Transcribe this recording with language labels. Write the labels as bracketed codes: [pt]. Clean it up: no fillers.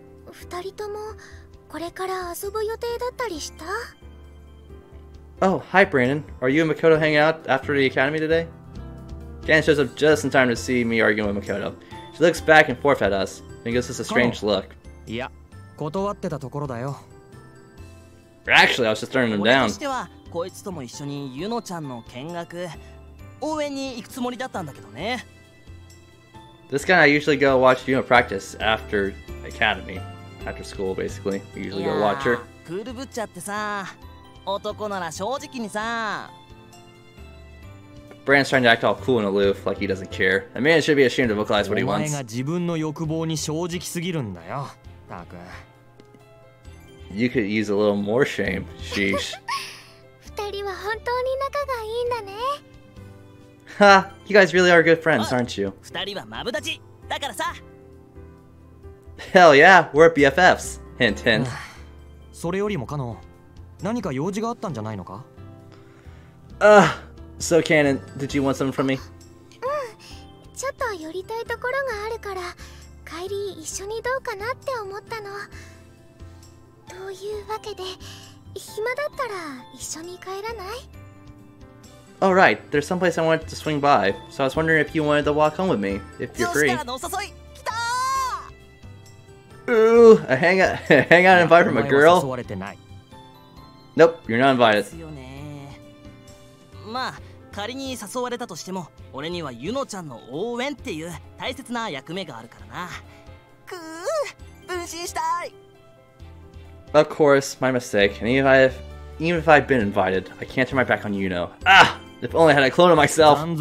[ja] 二人ともこれから遊ぶ予定だったりした? [en] Oh, hi, Brandon. Are you and Makoto hanging out after the academy today? Jan shows up just in time to see me arguing with Makoto. She looks back and forth at us and gives us a strange look. [ja] Yeah, 断ってたところだよ。 [en] Actually, I was just turning him down. [ja] こいつとも一緒にユノちゃんの見学応援に行くつもりだったんだけどね。 [en] This guy I usually go watch Yuno practice after academy, after school basically. We usually go watch her. [ja] クールぶっちゃってさ、男なら正直にさ。 [en] Brand's trying to act all cool and aloof, like he doesn't care. A man should be ashamed to vocalize what he wants. [ja] お前が自分の欲望に正直すぎるんだよ、タク。 [en] You could use a little more shame, sheesh. [ja] 二人は本当に仲がいいんだね。 [en] Ha! You guys really are good friends, aren't you? [ja] 二人はマブダチだからさ。 [en] Hell yeah! We're BFFs! Hint hint. [ja] それよりもカノン、何か用事があったんじゃないのか? [en] So Cannon, did you want something from me? [ja] うん。ちょっと寄りたいところがあるから、帰り一緒にどうかなって思ったの。というわけで、暇だったら一緒に帰らない? [en] Oh right, there's some place I wanted to swing by, so I was wondering if you wanted to walk home with me, if you're free. [ja] 上司からのお誘い、来た [en] ー! Ooh, a hangout invite from a girl? [ja] お前は誘われてない。 [en] Nope, you're not invited. [ja] ですよね。まあ、仮に誘われたとしても、俺にはユノちゃんの応援っていう大切な役目があるからな。くー、分身したい。 [en] Of course, my mistake. And even if I'd been invited, I can't turn my back on Yuno. Ah! If only I had a clone of myself!